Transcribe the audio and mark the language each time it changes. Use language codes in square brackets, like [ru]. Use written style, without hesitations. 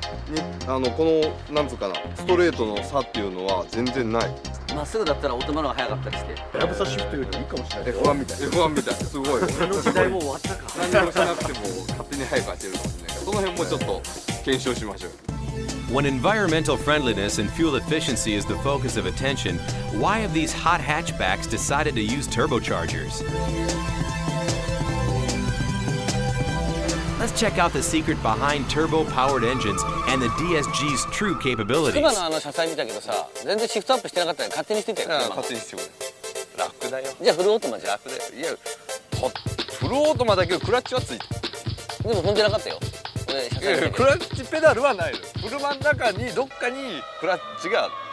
[ja] にあのこのなんつうかなストレートの差っていうのは全然ない。まっすぐだったらオートマの方が速かったりして。ラブサシフトよりもいいかもしれない。 F1 みたい。F1 みたい。すごい。その時代も終わったか。何もしなくても勝手に速く走れるかもしれない。その辺もちょっと検証しましょう。 [en] When environmental friendliness and fuel efficiency is the focus of attention, why have these hot hatchbacks decided to use turbochargers? Let's check out the secret behind turbo-powered engines and the DSG's true capabilities. [ja] 今のあの車載見たけどさ、全然シフトアップしてなかったら勝手にしてたよ。勝手にしてくれ。楽だよ。じゃあフルオートマじゃ。楽だよ。いや、フルオートマだけどクラッチはついてる。でも踏んでなかったよ。クラッチペダルはないの。車の中にどっかにクラッチがある。